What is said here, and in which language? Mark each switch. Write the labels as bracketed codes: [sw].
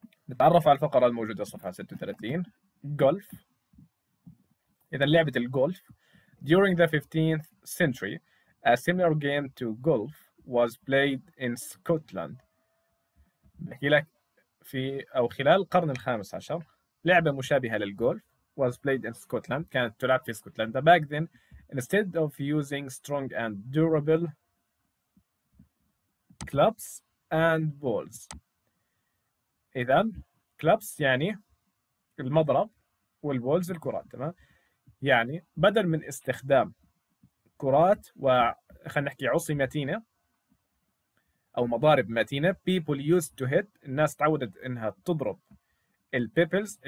[ar] نتعرف على الفقرة الموجودة صفحة 36 جولف. إذا لعبة الجولف [en] During the 15th century, a similar game to golf was played in Scotland. [ar] بحكي لك في أو خلال القرن الخامس عشر لعبة مشابهة للجولف [en] was played in Scotland. [ar] كانت تلعب في اسكتلندا. [en] Back then, instead of using strong and durable clubs and balls. [ar] إذا clubs يعني المضرب والبولز الكرات، تمام؟ يعني بدل من استخدام كرات وخلنا نحكي عصي متينة أو مضارب متينة، [en] people used to hit، [ar] الناس تعودت إنها تضرب البيبلز.